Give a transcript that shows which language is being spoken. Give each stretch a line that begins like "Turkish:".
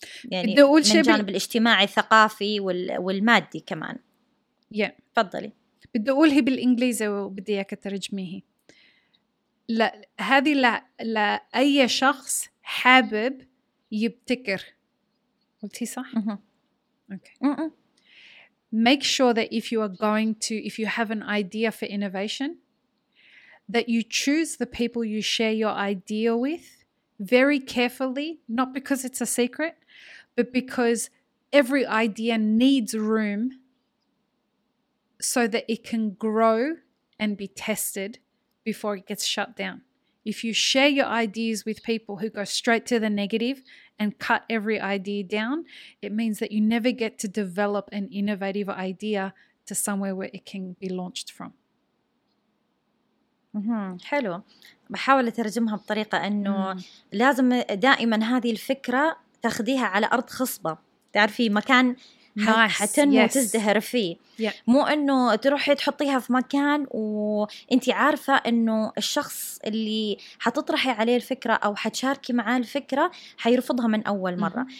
Arabic: يعني بدي أقول شيء من جانب الاجتماعي الثقافي والمادي كمان. تفضلي. بدي أقوله بالإنجليزي وبدي إياك ترجميه. لا هذه لا أي شخص حابب يبتكر. قلتي صح.
English: Make sure that if you are going to, if you have an idea for innovation, that you choose the people you share your idea with very carefully, not because it's a secret, but because every idea needs room so that it can grow and be tested before it gets shut down. If you share your ideas with people who go straight to the negative and cut every idea down, it means that you never get to develop an innovative idea to somewhere where it can be launched from.
Arabic: حلو. بحاول اترجمها بطريقة انه لازم دائما هذه الفكرة تاخديها على ارض خصبة، تعرفي مكان حتنمو وتزدهر فيه. مو انه تروحي تحطيها في مكان وانت عارفة انه الشخص اللي حتطرحي عليه الفكرة او حتشاركي معاه الفكرة حيرفضها من اول مرة.